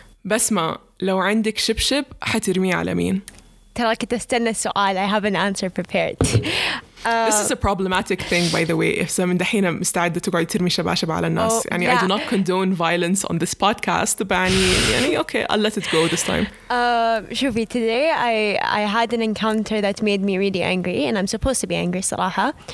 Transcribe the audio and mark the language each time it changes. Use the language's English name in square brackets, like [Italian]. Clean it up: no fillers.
[Arabic] بسمة, لو عندك شبشب حترمي على مين؟ ترى كنت استنى السؤال. [English] I have an answer prepared. This is a problematic thing, by the way. If someone [Arabic] دحين مستعدة تقعد ترمي شباشب على الناس. Oh, يعني, yeah. [English] I do not condone violence on this podcast. بعني, يعني, okay, I'll let it go this time. شوفي, today I had an encounter that made me really angry, and I'm supposed to be angry, صراحة.